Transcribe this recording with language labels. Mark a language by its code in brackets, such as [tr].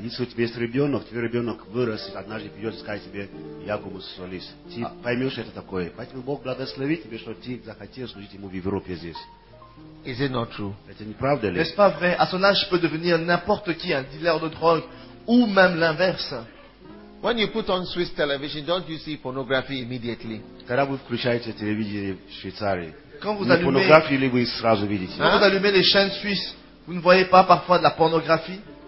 [ru] Если у тебя есть ребенок, твой ребенок вырастет, однажды придет сказать тебе, я гомосексуалист. Ты поймешь, это такое. Поэтому Бог благословит тебе, что ты захотел служить ему в Европе здесь. [en] Is it not true? [ru] Это не правда ли? [fr] N'est-ce pas vrai? À son âge, je peux devenir n'importe qui, un dealer de drogue, ou même l'inverse. [en] When you put on Swiss television, don't you see pornography immediately? [ru] Когда вы включаете телевидение в Швейцарии, [fr] quand vous allumez... [ru] Pornographie, или вы сразу видите? [fr] Quand vous allumez les chaînes suisses, vous ne voyez pas parfois de la pornographie?